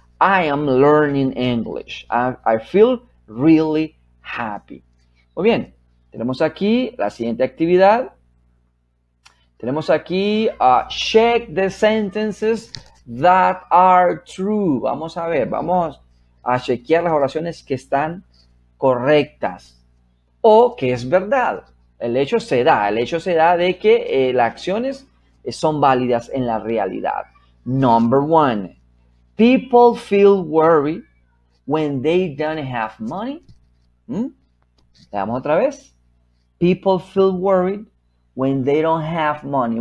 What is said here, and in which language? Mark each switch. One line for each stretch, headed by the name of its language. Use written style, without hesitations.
English: I am learning English. I feel really happy.
Spanish: Muy bien. Tenemos aquí la siguiente actividad. Tenemos aquí,
English: check the sentences that are true.
Spanish: Vamos a ver. Vamos a chequear las oraciones que están correctas. O que es verdad. El hecho se da. El hecho se da de que las acciones son válidas en la realidad.
English: Number one. People feel worried when they don't have money.
Spanish: Veamos otra vez.
English: People feel worried when they don't have money.